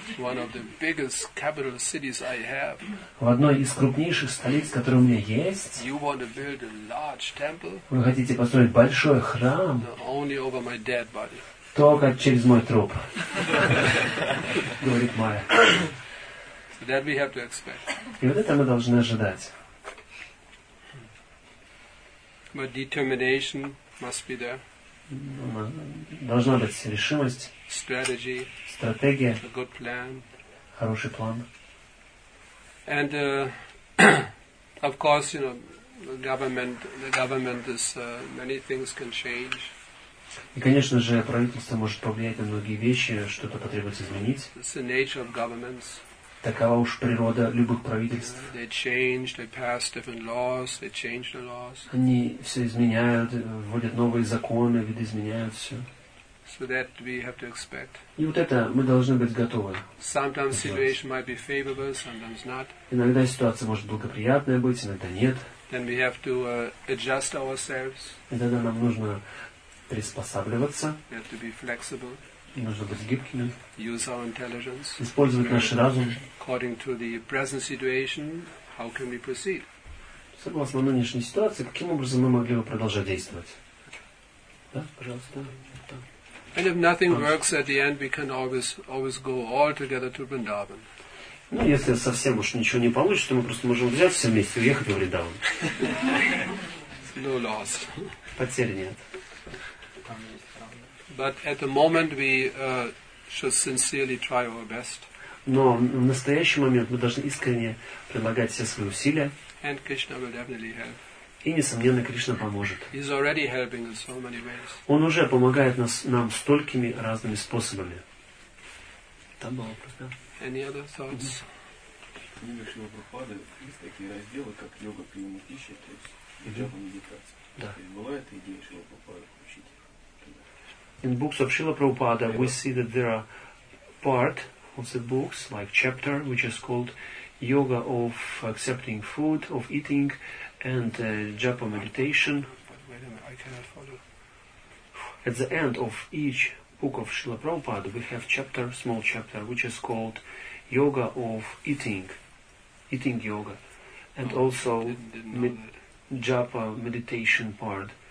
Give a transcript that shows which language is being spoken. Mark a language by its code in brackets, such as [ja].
[en] One of the biggest capital cities I have. [ru] В одной из крупнейших столиц, которые у меня есть. [en] You want to build a large temple? [ru] Вы хотите построить большой храм? [en] No, only over my dead body. [ru] Только через мой труп. Говорит Майя. [en] So that we have to expect. [ru] И вот это мы должны ожидать. [en] My determination must be there. [ru] Должна быть решимость, [en] strategy, [ru] стратегия, [en] a good plan, [ru] хороший план. [en] And of course, you know, the government is many things can change. [ru] И, конечно же, правительство может повлиять на многие вещи, что-то потребуется изменить. [en] It's the nature of governments. [ru] Такова уж природа любых правительств. [en] They change, they pass different laws, they change the laws. [ru] Они все изменяют, вводят новые законы, видоизменяют все. [en] So that we have to expect. [ru] И вот это мы должны быть готовы. [en] Sometimes situation might be favorable, sometimes not. [ru] Иногда ситуация может благоприятная быть, иногда нет. [en] Then we have to adjust ourselves. [ru] И тогда нам нужно приспосабливаться. [en] We have to be flexible. [ru] Нужно быть гибкими. [en] Use our intelligence. [ru] Использовать наш разум. [en] According to the present situation, how can we proceed? [ru] Согласно нынешней ситуации, каким образом мы могли бы продолжать действовать? Да, пожалуйста. [en] And if nothing works at the end, we can always go all together to Vrindavan. [ru] Ну, если совсем уж ничего не получится, мы просто можем взять все вместе и уехать в Вриндаван. [en] No loss. [ru] Потерь нет. [en] But at the moment we should sincerely try our best. [ru] Но в настоящий момент мы должны искренне прилагать все свои усилия. [en] And Krishna will definitely help. [ru] И несомненно Кришна поможет. [en] He's already helping in so many ways. [ru] Он уже помогает нам столькими разными способами. Там был вопрос, да? [en] Any other thoughts? Mm-hmm. [ru] Есть такие разделы, как йога, приема пищи, то есть йога, медитация. Да. То есть была эта идея Шрила Прабхупады. [en] In books of Srila Prabhupada, we see that there are part of the books, like chapter, which is called Yoga of Accepting Food, of Eating, and Japa Meditation. Wait a minute, I cannot follow. At the end of each book of Srila Prabhupada, we have chapter, small chapter, which is called Yoga of Eating, Eating Yoga, and also Japa Meditation part.